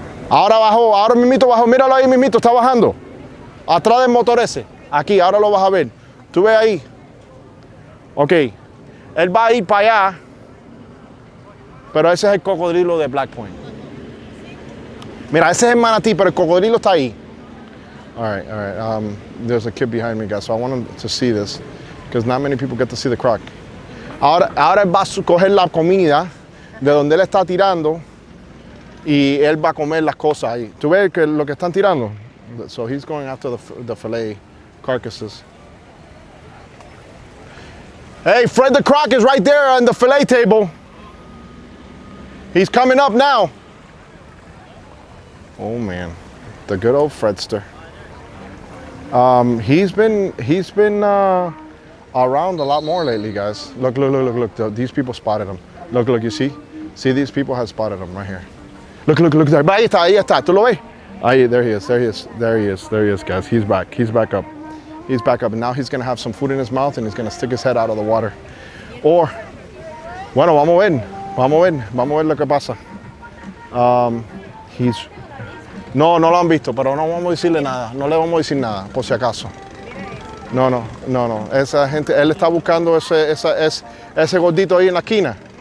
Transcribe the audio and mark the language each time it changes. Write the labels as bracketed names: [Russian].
[Spanish] Ahora bajó, ahora mismito bajó, míralo ahí mismito, está bajando. Atrás del motor ese, aquí, ahora lo vas a ver. Tú ves ahí. Ok, él va a ir para allá, pero ese es el cocodrilo de Black Point. Mira, ese es el manatí, pero el cocodrilo está ahí. [English] All right. There's a kid behind me, guys, so I want to see this, because not many people get to see the croc. [Spanish] Ahora él va a coger la comida de donde él está tirando, y él va a comer las cosas ahí. ¿Tú ves que lo que están tirando? [English] So he's going after the fillet carcasses. Hey, Fred the Croc is right there on the fillet table. He's coming up now. Oh man, the good old Fredster. He's been around a lot more lately, guys. Look, these people spotted him. Look, you see? See, these people have spotted him right here. Look there. [Spanish] Ahí está. Tú lo ves? [English] There he is, guys. He's back up. He's back up, and now he's gonna have some food in his mouth, and he's gonna stick his head out of the water. [Spanish] Or, bueno, vamos a ver lo que pasa. No lo han visto, pero no vamos a decirle nada. No le vamos a decir nada, por si acaso. No. Esa gente, él está buscando ese gordito ahí en la esquina.